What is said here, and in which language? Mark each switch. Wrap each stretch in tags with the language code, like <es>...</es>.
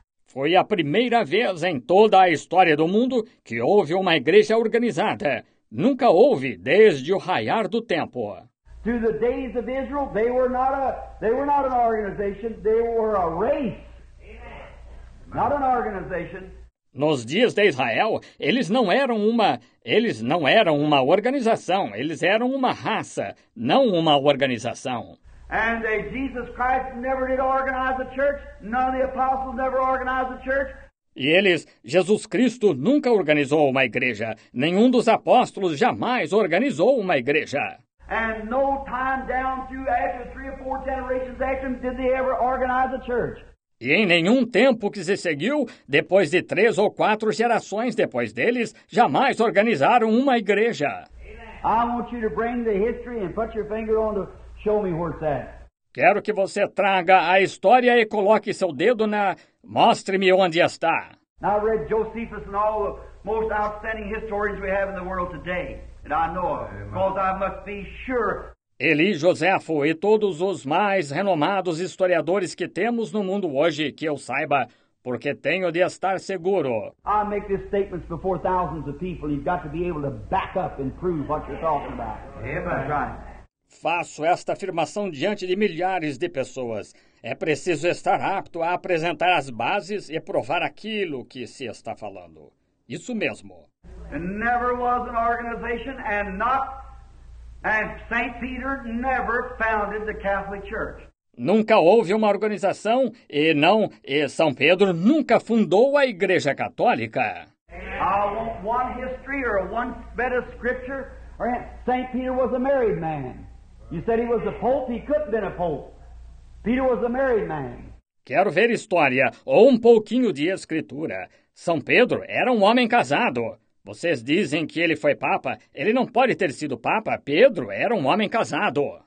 <pt>Foi a primeira vez em toda a história do mundo que houve uma igreja organizada. Nunca houve desde o raiar do tempo.</pt> <en>Through the days of Israel, they were not an organization, they were a race. Amen. Not an organization.</en> <pt>Nos dias de Israel, eles não eram uma organização, eles eram uma raça, não uma organização.</pt> <en>And Jesus Christ never did organize a church, none of the apostles never organized a church.</en> <pt>E eles, Jesus Cristo nunca organizou uma igreja, nenhum dos apóstolos jamais organizou uma igreja.</pt> <en>And no time down through after three or four generations after him did they ever organize a church.</en> <pt>E em nenhum tempo que se seguiu, depois de três ou quatro gerações depois deles, jamais organizaram uma igreja.</pt> <en>I want you to bring the history and put your finger on the show me where it's at.</en> <pt>Quero que você traga a história e coloque seu dedo na... Mostre-me onde está.</pt> <en>Now I read Josephus and all the most outstanding historians we have in the world today. And I know, because I must be sure...</en> <pt>Eli Josefo e todos os mais renomados historiadores que temos no mundo hoje, que eu saiba, porque tenho de estar seguro.</pt> <en>I make these statements before thousands of people. You've got to be able to back up and prove what you're talking about. That's right.</en> <pt>Faço esta afirmação diante de milhares de pessoas. É preciso estar apto a apresentar as bases e provar aquilo que se está falando. Isso mesmo.</pt> <en>Never was an organization and not... And St. Peter never founded the Catholic Church.</en> <pt>Nunca houve uma organização e não, e São Pedro nunca fundou a Igreja Católica.</pt> <en>I want one history or one better scripture. St. Peter was a married man. You said he was a pope, he could have been a pope. Peter was a married man.</en> <pt>Quero ver história ou um pouquinho de escritura. São Pedro era um homem casado. Vocês dizem que ele foi papa. Ele não pode ter sido papa. Pedro era um homem casado.</pt>